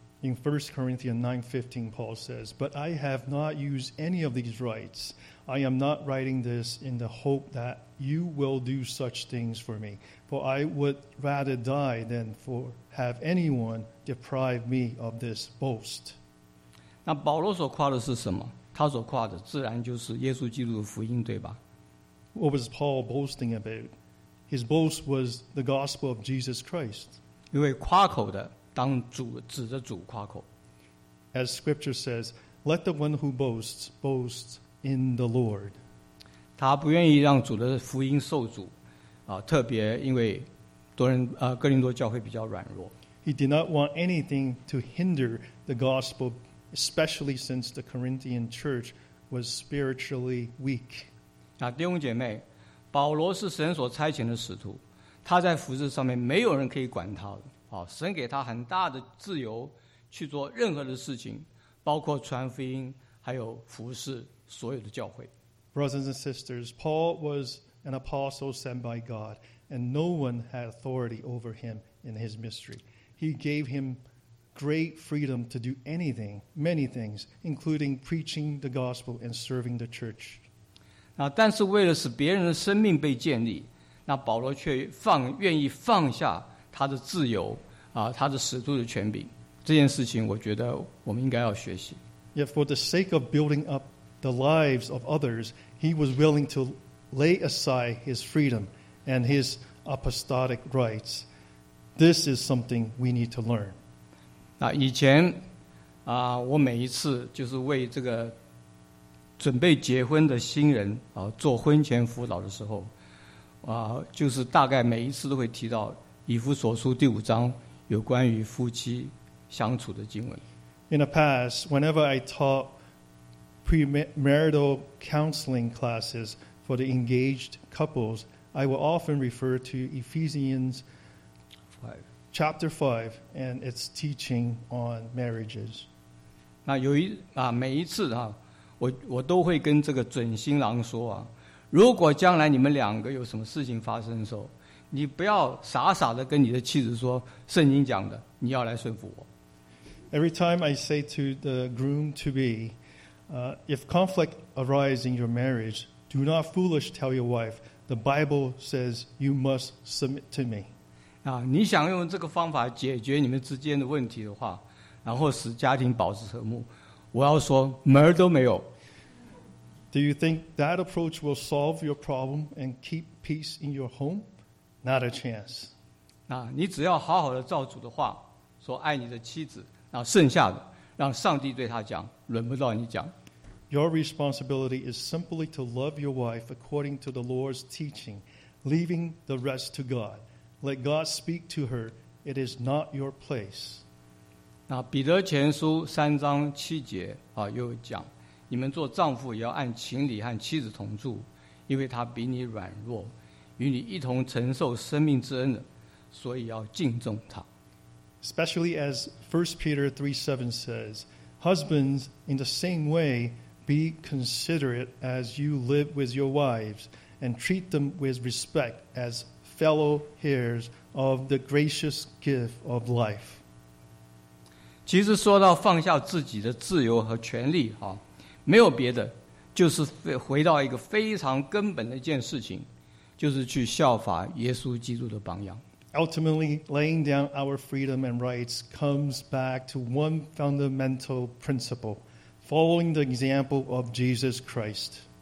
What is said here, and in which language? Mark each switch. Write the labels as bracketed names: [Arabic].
[English] In 1 Corinthians 9:15, Paul says, But I have not used any of these rights. I am not writing this in the hope that you will do such things for me. For I would rather die than for have anyone deprive me of this boast. [Chinese] 那保罗所夸的是什么？他所夸的自然就是耶稣基督的福音，对吧？ [English] What was Paul boasting about? His boast was the gospel of Jesus Christ. [Chinese] 因为夸口的当主指着主夸口。 [English] As scripture says, let the one who boasts boast in the Lord. [Chinese] 他不愿意让主的福音受阻特别因为哥林多教会比较软弱。 [English] He did not want anything to hinder the gospel, especially since the Corinthian church was spiritually weak. [Chinese] 弟兄姐妹，保罗是神所差遣的使徒，他在服事上面没有人可以管他的。神给他很大的自由去做任何的事情，包括传福音，还有服事所有的教会。 [English] Brothers and sisters, Paul was an apostle sent by God, and no one had authority over him in his ministry. He gave him great freedom to do anything, many things, including preaching the gospel and serving the church. [Chinese] 但是为了使别人的生命被建立，那保罗却愿意放下他的自由他的使徒的权柄，这件事情我觉得我们应该要学习。 [English] Yet for the sake of building up the lives of others, he was willing to lay aside his freedom and his apostolic rights. This is something we need to learn. [Chinese] 以前我每一次就是为这个准备结婚的新人做婚前辅导的时候就是大概每一次都会提到以弗所书第五章有关于夫妻相处的经文。 [English] In the past, whenever I taught premarital counseling classes for the engaged couples, I will often refer to Ephesians chapter 5 and its teaching on marriages. [Chinese] 每一次我都会跟这个准新郎说如果将来你们两个有什么事情发生的时候，你不要傻傻的跟你的妻子说圣经讲的，你要来顺服我。 [English] Every time I say to the groom to be, if conflict arises in your marriage, Do not foolish tell your wife. The Bible says you must submit to me. [Chinese] 啊，你想用这个方法解决你们之间的问题的话，然后使家庭保持和睦，我要说门儿都没有。 [English] Do you think that approach will solve your problem and keep peace in your home? Not a chance. [Chinese] 啊，你只要好好的照主的话，说爱你的妻子，然后剩下的让上帝对他讲，轮不到你讲。 [English] Your responsibility is simply to love your wife according to the Lord's teaching, leaving the rest to God. Let God speak to her. It is not your place. [Chinese] 那彼得前书三章七节啊，又讲，你们做丈夫也要按情理和妻子同住，因为她比你软弱，与你一同承受生命之恩的，所以要敬重她。 [English] Especially as 1 Peter 3:7 says, husbands, in the same way, be considerate as you live with your wives and treat them with respect as fellow heirs of the gracious gift of life. [Chinese] 其实说到放下自己的自由和权利，没有别的，就是回到一个非常根本的一件事情，就是去效法耶稣基督的榜样。 [English] Ultimately, laying down our freedom and rights comes back to one fundamental principle, following the example of Jesus Christ.